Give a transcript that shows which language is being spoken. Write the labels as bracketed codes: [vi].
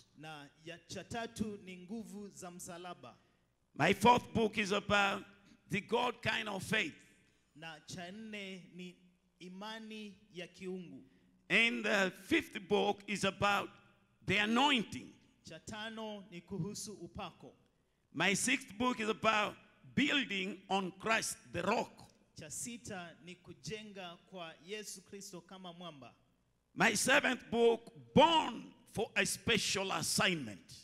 [sw] Na ya cha tatu ni nguvu za msalaba. [en] My fourth book is about the God kind of faith. [sw] Na cha nne ni imani ya kiungu. [en] And the fifth book is about the anointing. [sw] Cha tano ni kuhusu upako. [en] My sixth book is about building on Christ the rock. [sw] Cha sita ni kujenga kwa Yesu Kristo kama mwamba. [en] My seventh book, born for a special assignment.